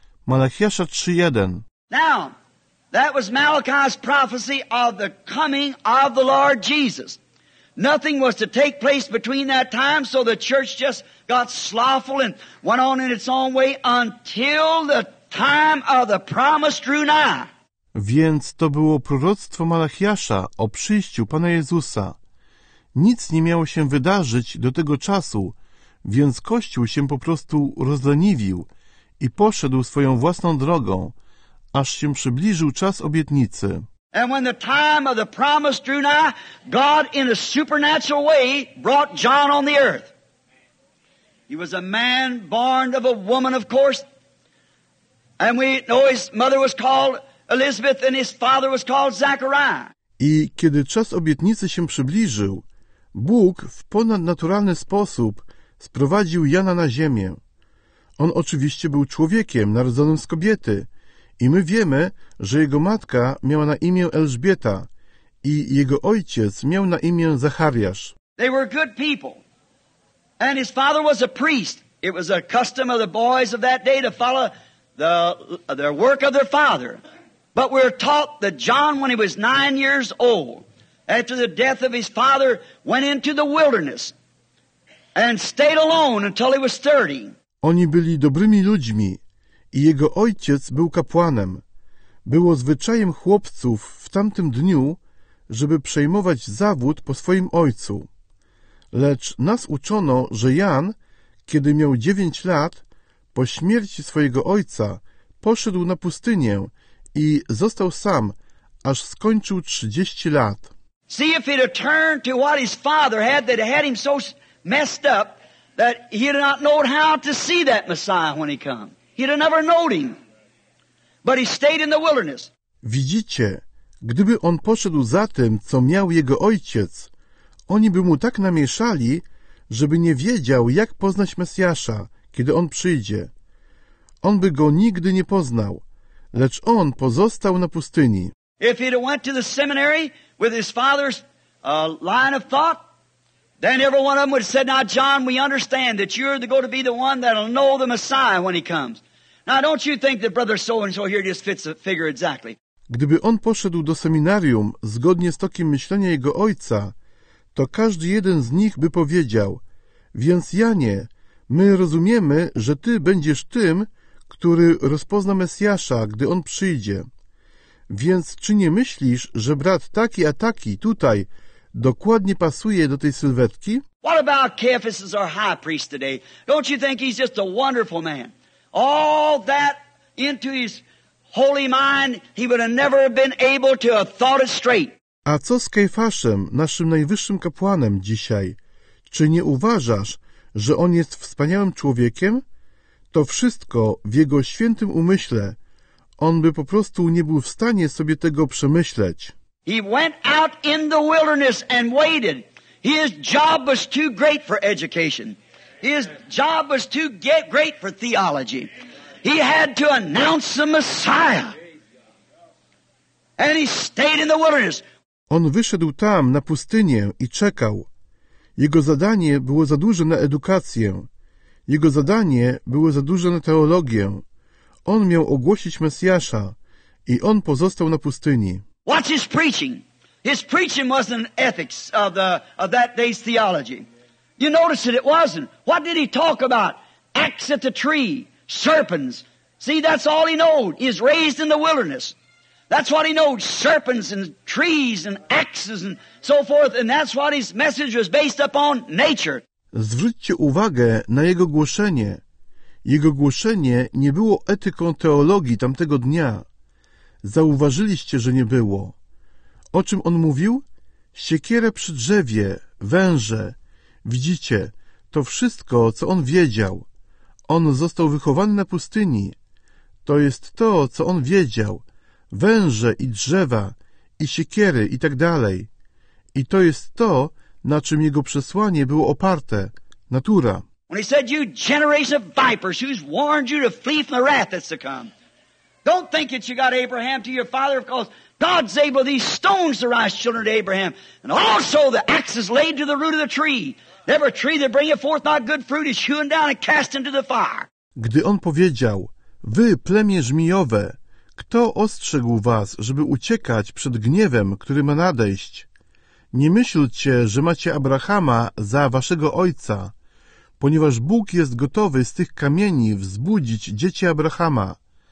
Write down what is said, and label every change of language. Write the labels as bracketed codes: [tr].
[pl] Malachiasza 3:1. [en] Now, that was Malachi's prophecy of the coming of the Lord Jesus. Nothing was to take place between that time, so the church just got slothful and went on in its own way until the time of the promise drew nigh. [pl] Więc to było proroctwo Malachiasza o przyjściu Pana Jezusa. Nic nie miało się wydarzyć do tego czasu, więc Kościół się po prostu rozleniwił i poszedł swoją własną drogą, aż się przybliżył czas obietnicy. [en] And when the time of the promise drew nigh, God in a supernatural way brought John on the earth. He was a man born of a woman, of course. And we know his mother was called Elizabeth and his father was called Zachariah. [pl] I kiedy czas obietnicy się przybliżył, Bóg w ponadnaturalny sposób sprowadził Jana na ziemię. On oczywiście był człowiekiem narodzonym z kobiety. I my wiemy, że jego matka miała na imię Elżbieta i jego ojciec miał na imię Zachariasz. [en] They were good people. And his father was a priest. It was a custom of the boys of that day to follow the work of their father. But we're taught that John, when he was 9 years old, after the death of his father, went into the wilderness and stayed alone until he was 30. [pl] Oni byli dobrymi ludźmi. I jego ojciec był kapłanem. Było zwyczajem chłopców w tamtym dniu, żeby przejmować zawód po swoim ojcu. Lecz nas uczono, że Jan, kiedy miał 9 lat, po śmierci swojego ojca, poszedł na pustynię i został sam, aż skończył 30 lat. [en] See if he'd have turned to what his father had that had him so messed up that he had not known how to see that Messiah when he come. He'd have never known him, but he stayed in the wilderness. [pl] Widzicie, gdyby on poszedł za tym, co miał jego ojciec, oni by mu tak namieszali, żeby nie wiedział, jak poznać Mesjasza, kiedy on przyjdzie. On by go nigdy nie poznał, lecz on pozostał na pustyni. [en] If he'd have went to the seminary with his father's line of thought, then every one of them would have said, Now, John, we understand that you're going to be the one that'll know the Messiah when he comes. Now, don't you think that brother so-and-so here just fits the figure exactly? [pl] Gdyby on poszedł do seminarium zgodnie z tokiem myślenia jego ojca, to każdy jeden z nich by powiedział, więc Janie, my rozumiemy, że ty będziesz tym, który rozpozna Mesjasza, gdy on przyjdzie. Więc czy nie myślisz, że brat taki a taki tutaj dokładnie pasuje do tej sylwetki? [en] What about Caiaphas as our high priest today? Don't you think he's just a wonderful man? All that into his holy mind, he would have never been able to have thought it straight. [pl] A co z Kajfaszem, naszym najwyższym kapłanem dzisiaj? Czy nie uważasz, że on jest wspaniałym człowiekiem? To wszystko w jego świętym umyśle. On by po prostu nie był w stanie sobie tego przemyśleć. [en] He went out in the wilderness and waited. His job was too great for education. His job was too great for theology. He had to announce the Messiah. And he stayed in the wilderness. [pl] On wyszedł tam, na pustynię, i czekał. Jego zadanie było za duże na edukację. Jego zadanie było za duże na teologię. On miał ogłosić Mesjasza i on pozostał na pustyni. [en] Watch his preaching. His preaching wasn't an ethics of that day's theology. You notice that it wasn't. What did he talk about? Axe at the tree, serpents. See, that's all he knowed. He's raised in the wilderness. That's what he knowed, serpents and trees and axes and so forth, and that's what his message was based upon nature. [pl] Zwróćcie uwagę na jego głoszenie. Jego głoszenie nie było etyką teologii tamtego dnia. Zauważyliście, że nie było. O czym on mówił? Siekierę przy drzewie, węże. Widzicie, to wszystko, co on wiedział. On został wychowany na pustyni. To jest to, co on wiedział. Węże i drzewa, i siekiery, i tak dalej. I to jest to, na czym jego przesłanie było oparte. Natura. [en] When he said, you generation of vipers, who's warned you to flee from the wrath that's to come. Don't think that you got Abraham to your father, of course. God's able these stones to rise children to Abraham. And also the axe is laid to the root of the tree. Every tree that bringeth forth not good fruit is hewn down and cast into the fire. [pl] Gdy on powiedział, wy plemię żmijowe, kto ostrzegł was, żeby uciekać przed gniewem, który ma nadejść? Nie myślcie, że macie Abrahama za waszego ojca, ponieważ Bóg jest gotowy z tych kamieni wzbudzić dzieci Abrahama.